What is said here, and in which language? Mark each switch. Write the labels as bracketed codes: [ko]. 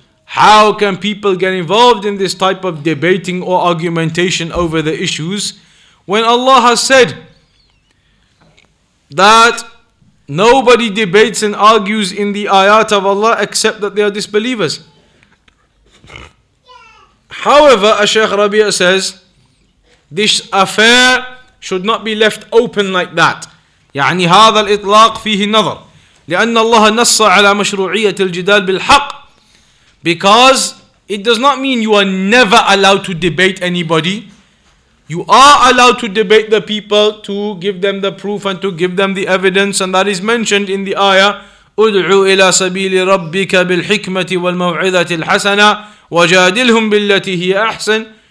[en] How can people get involved in this type of debating or argumentation over the issues when Allah has said that nobody debates and argues in the ayat of Allah except that they are disbelievers? However, as Shaykh Rabee says, this affair should not be left open like that. [ar] يعني هذا الإطلاق فيه نظر لأن الله نص على مشروعية الجدال بالحق. [en] Because it does not mean you are never allowed to debate anybody. You are allowed to debate the people, to give them the proof and to give them the evidence, and that is mentioned in the ayah, [ar] أُدْعُوا إِلَى سَبِيلِ رَبِّكَ بِالْحِكْمَةِ وَالْمَوْعِذَةِ الْحَسَنَةِ وَجَادِلْهُمْ بِالَّتِي هِيَ أَحْسَنِ.